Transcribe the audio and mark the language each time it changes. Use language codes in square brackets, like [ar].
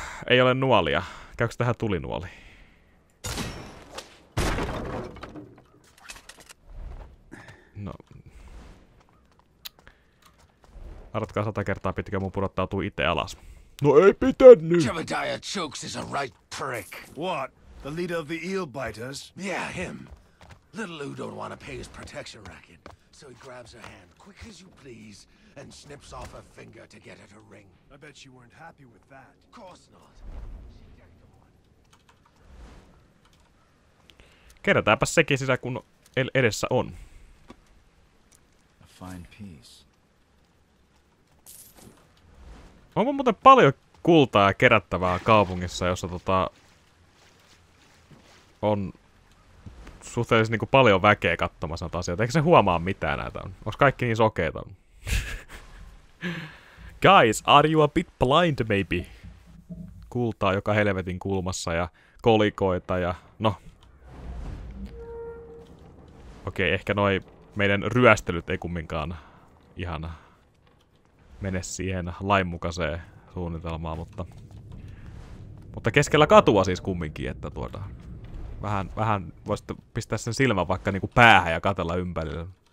[fi] Ei ole nuolia. Käykö tähän tulinuoli? No. Arvatkaa 100 kertaa, pitikö mun pudottautua itse alas. No ei pitänyt! [en] Jebediah Chokes is a right prick. What? The leader of the eel biters? Yeah, him. Little Lou don't want to pay his protection racket, so he grabs her hand quick as you please and snips off her finger to get her to ring. I bet you weren't happy with that. Of course not. [fi] Kerätäänpä sekin sisä, kun edessä on. [en] A fine piece. [fi] Onpa muuten paljon kultaa ja kerättävää kaupungissa, jossa on suhteellisesti niinku paljon väkeä kattomassa näitä asioita. Eikö se huomaa mitään näitä on? Onks kaikki niin sokeita? [en] Guys, are you a bit blind maybe? [fi] Kultaa joka helvetin kulmassa ja kolikoita ja no. Okei, ehkä noi meidän ryöstelyt ei kumminkaan ihan mene siihen lainmukaiseen suunnitelmaan, mutta keskellä katua siis kumminkin, että Vähän voisit pistää sen silmän vaikka niinku päähän ja katella ympärillä.